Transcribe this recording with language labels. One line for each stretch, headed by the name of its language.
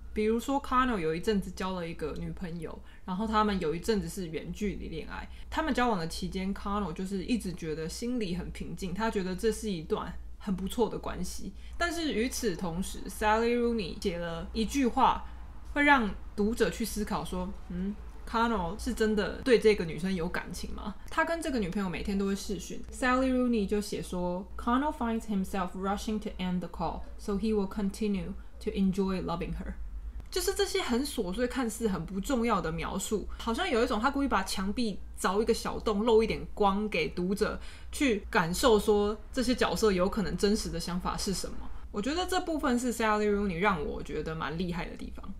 Chinese: 比如说 Connell 有一阵子交了一个女朋友，然后他们有一阵子是远距离恋爱，他们交往的期间 Connell 就是一直觉得心里很平静，他觉得这是一段很不错的关系。但是与此同时 Sally Rooney 写了一句话会让读者去思考说，Connell 是真的对这个女生有感情吗？他跟这个女朋友每天都会视讯。
English: Sally Rooney
Chinese: 就写说
English: Connell finds himself rushing to end the call so he will continue to enjoy loving her。
Chinese: 就是这些很琐碎看似很不重要的描述，好像有一种他故意把墙壁凿一个小洞漏一点光给读者去感受说这些角色有可能真实的想法是什么。我觉得这部分是 Sally Rooney 让我觉得蛮厉害的地方。